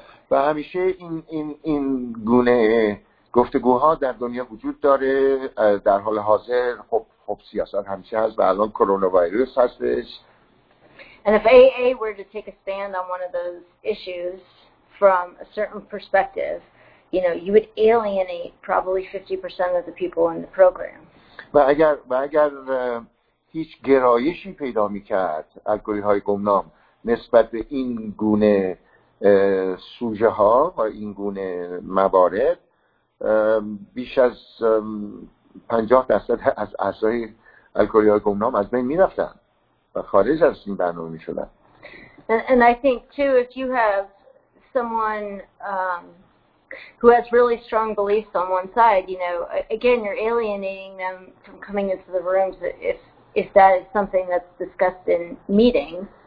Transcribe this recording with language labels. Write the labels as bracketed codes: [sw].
[fa] و همیشه این گونه گفتگوها در دنیا وجود داره در حال حاضر. خب سیاست همیشه هست و الان کرونا ویروس هستش. [en] And if AA were to take a stand on one of those issues from a certain perspective, you know, you would alienate probably 50% of the people in the program. [fa] و اگر هیچ گرایشی پیدا می‌کرد الگوریتم‌های گمنام نسبت به این گونه سوژه ها و این گونه موارد، بیش از 50% از اعضای الگوریتم‌های گمنام از بین می‌رفتند و خارج از این برنامه می‌شدند. [en] And I think too, if you have someone who has really strong beliefs on one side, you know, again, you're alienating them from coming into the rooms if that is something that's discussed in meetings.